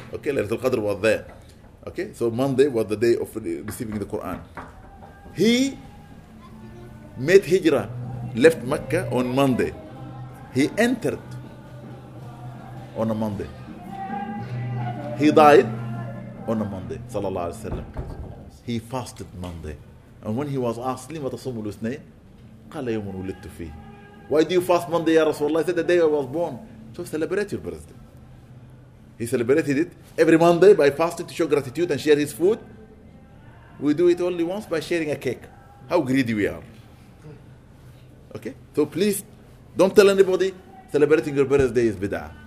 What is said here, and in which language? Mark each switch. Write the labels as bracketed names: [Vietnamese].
[English] Okay, Laylatul Qadr was there. Okay, so Monday was the day of receiving the Quran. He made Hijrah, left Mecca on Monday. He entered on a Monday. He died on a Monday, [Arabic] sallallahu alayhi wa sallam. [English] He fasted Monday. [Arabic] And when he was asked, لِمَ تَصُمُ الْوِسْنَيْنِ قَالَ يَوْمٌ وُلِدْتُ فِيهِ. [English] Why do you fast Monday, [Arabic] Ya Rasulullah? [English] He said, the day I was born. So celebrate your birthday. He celebrated it every Monday by fasting to show gratitude and share his food. We do it only once by sharing a cake. How greedy we are. Okay? So please, don't tell anybody celebrating your birthday is bid'ah.